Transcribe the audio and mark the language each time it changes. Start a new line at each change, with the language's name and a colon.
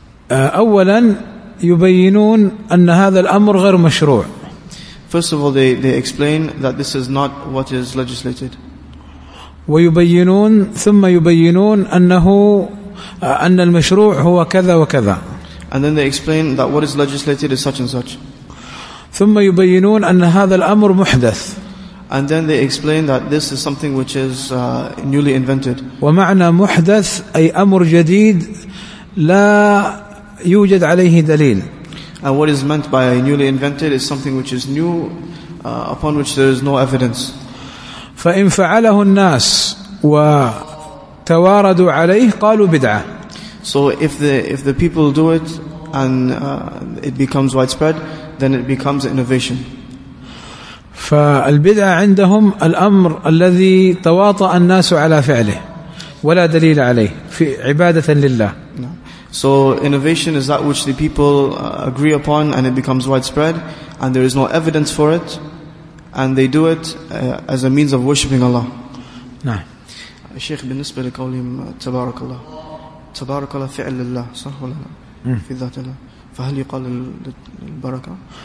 Arabic: أولا يبينون أن هذا الأمر غير مشروع.
English: First of all, they explain that this is not what is legislated.
Arabic: ويبينون ثم يبينون أنه أن المشروع هو كذا وكذا.
English: And then they explain that what is legislated is such and such.
Arabic: ثم يبينون أن هذا الأمر محدث.
English: And then they explain that this is something which is newly invented.
Arabic: ومعنى محدث أي أمر جديد لا يوجد عليه دليل.
English: And what is meant by newly invented is something which is new, upon which there is no evidence.
Arabic: فإن فعله الناس وتواردوا عليه قالوا بدعة.
English: So if the people do it and it becomes widespread, then it becomes innovation.
Arabic: فالبدعة عندهم الأمر الذي تواطأ الناس على فعله ولا دليل عليه في عبادة لله.
English: So innovation is that which the people agree upon and it becomes widespread and there is no evidence for it. And they do it as a means of worshipping Allah.
Arabic: نعم. الشيخ بالنسبة لقولهم تبارك الله, تبارك الله فعل الله صح ولا لا؟ في ذات الله, فهل يقال البركة؟